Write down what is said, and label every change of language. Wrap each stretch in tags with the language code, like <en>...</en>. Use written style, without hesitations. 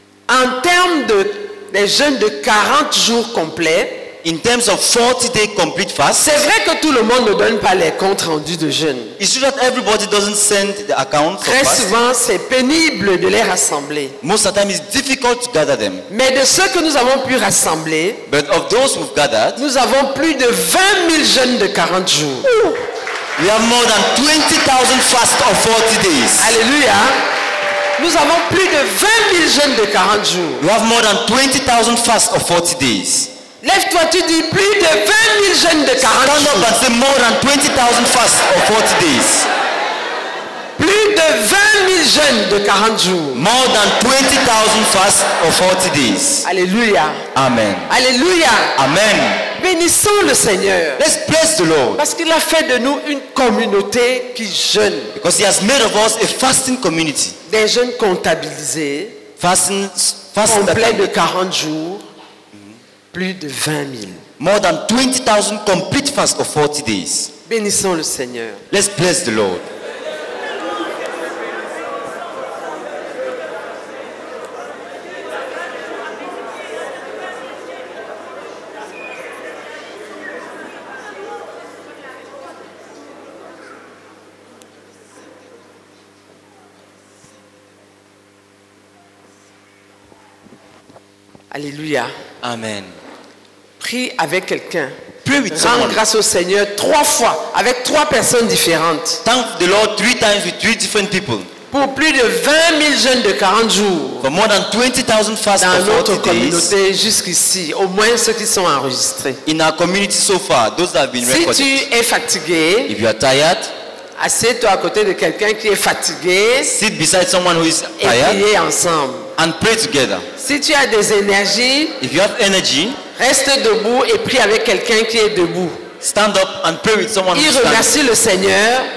<fr>En termes de les jeûnes de 40 jours complets,</fr> <en>in terms of 40 day complete fast,</en> <fr>c'est vrai que tout le monde ne donne pas les comptes rendus de jeûne.</fr> <en>It's true that everybody doesn't send the accounts.</en> <fr>Très souvent, c'est pénible de les rassembler.</fr> <en>Most of the time, it's difficult to gather them.</en> <fr>Mais de ceux que nous avons pu rassembler,</fr> <en>but of those we've gathered,</en> <fr>nous avons plus de 20 000 jeûnes de 40 jours.</fr> <en>We have more than 20,000 fasts of 40 days.</en> <fr>Alléluia. Nous avons plus de 20 000 jeûnes de 40 jours.</fr> <en>We have more than 20,000 fasts of 40 days.</en> <fr>Lève-toi, tu dis plus de 20 000 jeûnes de 40</fr> <en>Stand up and say more than 20,000 fasts of 40 days.</en> <fr>Plus de 20 000 jeûnes de 40 jours.</fr> <en>More than 20,000 fasts of 40 days. Alléluia. Amen. Alléluia. Amen.</en> <fr>Bénissons le Seigneur.</fr> <en>Let's bless the Lord.</en> <fr>Parce qu'il a fait de nous une communauté qui jeûne.</fr> <en>Because he has made of us a fasting community.</en> <fr>Des jeûnes comptabilisés.</fr> <en>Fasting</en> <fr>complet de 40 jours. Plus de 20 000.</fr> <en>More than 20,000 complete fasts of 40 days.</en> <fr>Bénissons le Seigneur.</fr> <en>Let's bless the Lord. Alléluia. Amen.</en> <fr>Prie avec quelqu'un.</fr> <en>Pray with someone.</en> <fr>Rends grâce au Seigneur trois fois avec trois personnes différentes.</fr> <en>Thank the Lord three times with three different people.</en> <fr>Pour plus de 20 000 jeunes de 40 jours.</fr> <en>For more than 20,000 fasts</en> <fr>dans notre communauté</fr> <en>days,</en> <fr>jusqu'ici, au moins ceux qui sont enregistrés.</fr> <en>In our community so far, those that have been recorded.</en> <fr>Si tu es fatigué,</fr> <en>if you are tired,</en> <fr>assieds-toi à côté de quelqu'un qui est fatigué.</fr> <en>Sit beside someone who is tired.</en> <fr>Et priez ensemble.</fr> <en>And pray together.</en> <fr>Si tu as des énergies,</fr> <en>if you have energy,</en> <fr>reste debout et prie avec quelqu'un qui est debout.</fr> <en>Stand up and pray with someone who's</en> <fr>standing. Il remercie le Seigneur.</fr>